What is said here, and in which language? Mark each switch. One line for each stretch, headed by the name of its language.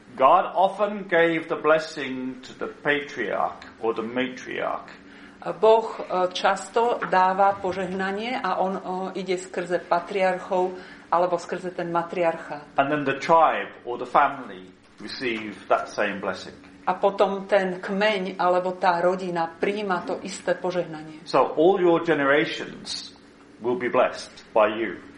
English: God often gave the blessing to the patriarch or the matriarch.
Slovak: Boh často dáva požehnanie a on ide skrze patriarchov alebo skrze ten matriarchát.
English: And then the tribe or the family receive that same blessing.
Slovak: A potom ten kmeň alebo tá rodina prijíma to isté požehnanie.
English: So all your generations will be blessed by you.